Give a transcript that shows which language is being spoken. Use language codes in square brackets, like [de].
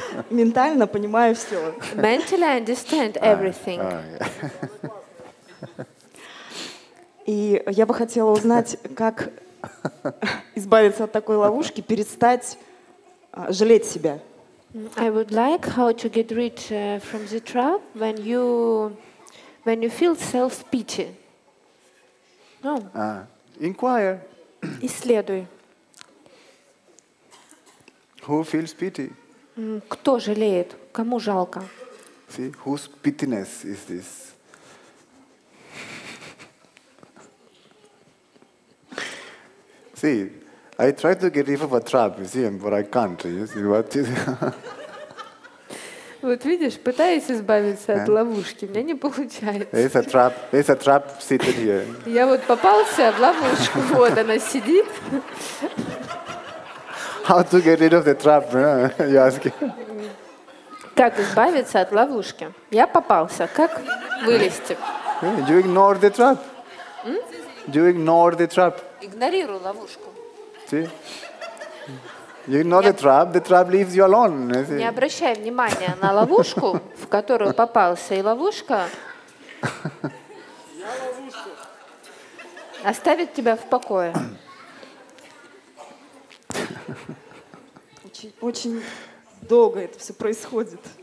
[ru] Ментально понимаю все. [en] Mentally I understand everything. [ru] И я бы хотела узнать, как избавиться от такой ловушки, перестать жалеть себя. [en] I would like how to get rid from the trap when you feel self-pity. No. Inquire. [ru] Исследуй. [en] Who feels pity? [ru] Кто жалеет? Кому жалко? [en] See, whose pitiness is this? See, I try to get rid of a trap, you see, but I can't. You see, what is... [ru] Вот видишь, пытаюсь избавиться от ловушки, у меня не получается. [en] It's a trap. It's a trap sitting here. [ru] Я вот попался в ловушку, вот она сидит. [en] How to get rid of the trap? You ask. [ru] Как избавиться от ловушки? Я попался. Как вылезти? [en] You ignore the trap. You ignore the trap. [ru] Игнорирую ловушку. [en] See? You know the trap leaves you alone. [ru] Не обращай внимания на ловушку, в которую попался, и ловушка оставит тебя в покое. Очень долго это все происходит.